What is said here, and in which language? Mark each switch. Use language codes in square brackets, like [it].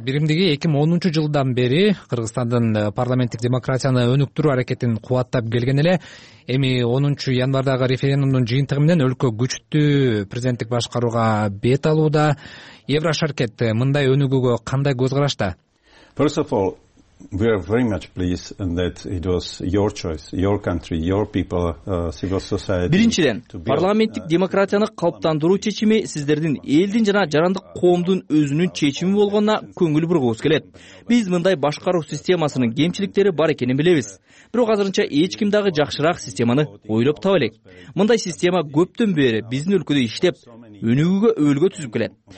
[ky] биримдиги 2010 жылдан бери Кыргызстандын парламенттик демократияны өнүктүрүү аракетин кубаттап келген эле, эми 10 январдагы референдумдун жыйынтыгы менен өлкө күчтүү президенттик башкарууга бет алууда. Еврошаркет мындай өнүгүүгө кандай көз карашта? [en] First of all, we are very much pleased that it was your choice, your country, your people, civil society. [ky] Биринчиден, парламенттик демократияны калыптандыруу чечими сиздердин элдин жана жарандык коомдун өзүнүн чечими болгонуна көңүл бурууңуз келет. Биз мындай башкаруу системасынын кемчиликтери бар экенин билебиз. Бирок азырынча эч ким дагы жакшыраак системаны ойлоп таба элек. Мындай система көптөн бери биздин өлкөдө иштеп, өнүгүүгө өбөлгө түзүп келет.